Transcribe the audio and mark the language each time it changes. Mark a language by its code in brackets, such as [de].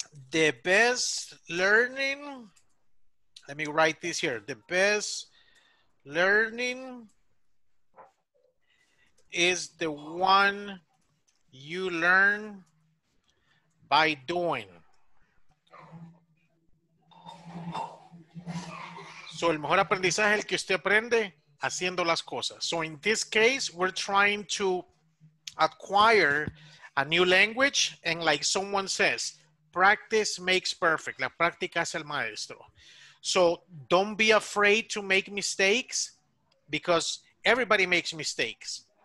[en] The best learning, let me write this here. The best learning is the one you learn by doing. [es] So el mejor aprendizaje es el que usted aprende haciendo las cosas. [en] So in this case, we're trying to acquire a new language, and like someone says, practice makes perfect. [es] La práctica es el maestro. [en] So don't be afraid to make mistakes, because everybody makes mistakes.